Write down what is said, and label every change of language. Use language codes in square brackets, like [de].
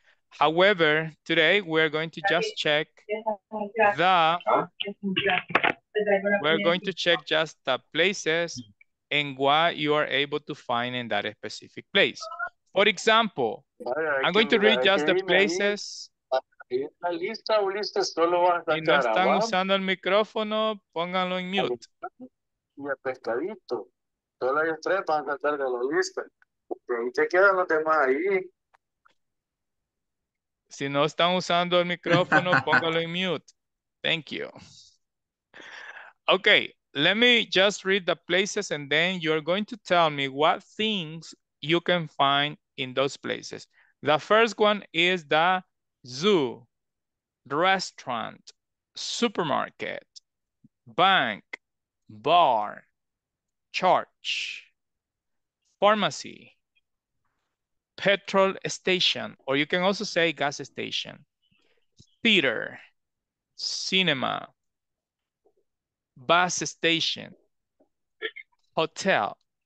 [en] However, today we're going to just check the places and what you are able to find in that specific place. For example, I'm going to read just the places. [es] la lista, Ulises, solo vas a sacar si no están usando el micrófono, pónganlo en mute. Y el pescadito. Solo hay tres para sacar de la lista. ¿Y qué quedan los demás ahí? Si no están usando el micrófono, póngalo en mute. [en] Thank you. Okay, let me just read the places and then you're going to tell me what things you can find in those places. The first one is the zoo, restaurant, supermarket, bank, bar, church, pharmacy, petrol station, or you can also say gas station, theater, cinema, bus station, hotel,